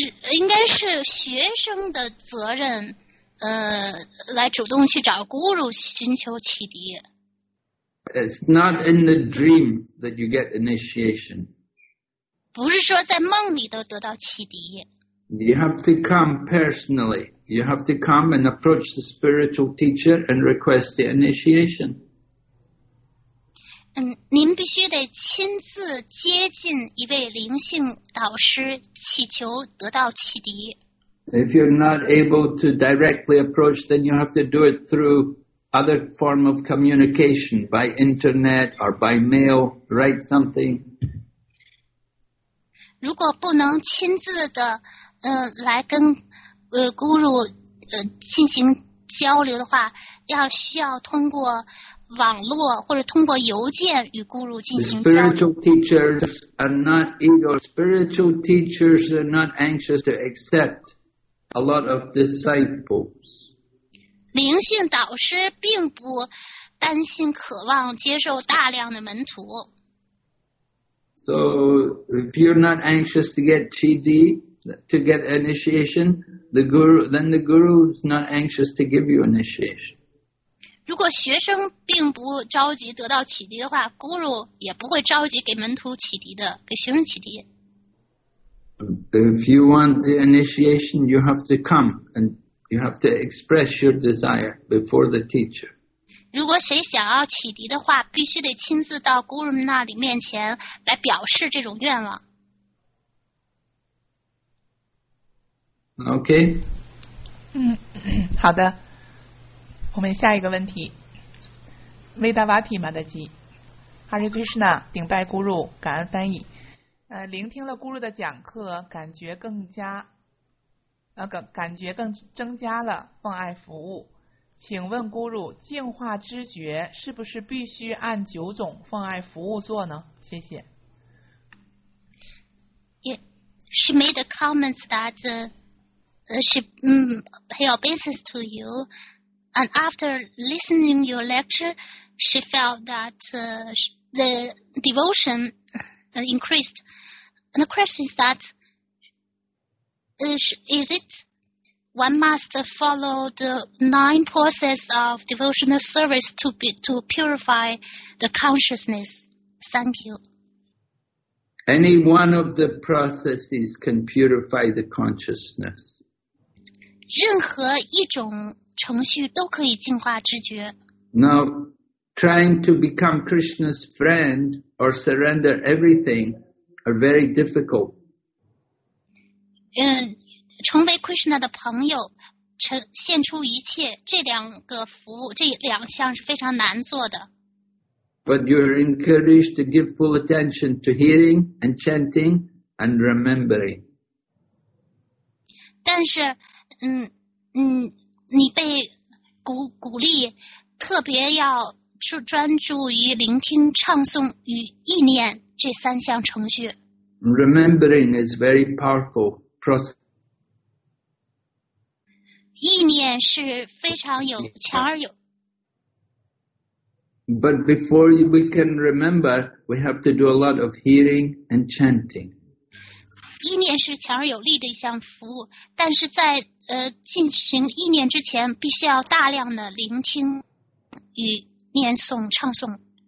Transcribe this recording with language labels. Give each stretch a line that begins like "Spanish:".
Chinese: 应该是学生的责任，来主动去找咕噜寻求启迪。
English: It's not in the dream that you get initiation.
Chinese: 不是说在梦里都得到启迪。
English: You have to come personally. You have to come and approach the spiritual teacher and request the initiation.
Chinese: 您必须得亲自接近一位灵性导师，祈求得到启迪。
English: If you're not able to directly approach, then you have to do it through other form of communication, by internet or by mail, write something.
Chinese: 如果不能亲自的来跟guru 进行交流的话，要需要通过网络或者通过邮件与guru 进行交流。
English: Spiritual teachers are not anxious to accept a lot of disciples.
Chinese: 灵性导师并不担心渴望接受大量的门徒。
English: So if you're not anxious to get TD, to get initiation, then the guru is not anxious to give you initiation.
Chinese: 如果学生并不着急得到启迪的话， guru 也不会着急给门徒启迪的，给学生启迪。
English: If you want the initiation, you have to come and you have to express your desire before the teacher.
Chinese: 如果谁想要启迪的话，必须得亲自到 guru 那里面前来表示这种愿望。
English: Okay.
Chinese: 好的。我们下一个问题。Vedavati Madaji. Hare Krishna, 顶拜 guru, 感恩翻译。聆听了 guru 的讲课，感觉更加感觉更增加了奉爱服务。请问 guru, 净化知觉是不是必须按九种奉爱服务做呢？谢谢。
English: She made a comment that pay obeisance to you, and after listening your lecture, she felt that the devotion increased. And the question is that, is it one must follow the nine process of devotional service to purify the consciousness? Thank you. Any one of the processes can purify the consciousness.
Chinese: 任何一种程序都可以净化知觉。
English: Now, trying to become Krishna's friend or surrender everything are very difficult.
Chinese: 成为 Krishna 的朋友，献出一切，这两个服务，这两项是非常难做的。
English: But you're encouraged to give full attention to hearing and chanting and remembering.
Chinese: 但是，你被鼓励特别要专注于聆听、唱诵与意念这三项程序。
English: Remembering is very powerful process.
Chinese: 意念是非常有强而有。
English: But before we can remember, we have to do a lot of hearing and chanting.
Chinese: 意念是强而有力的一项服务，但是在进行意念之前，必须要大量的聆听与念诵、唱诵。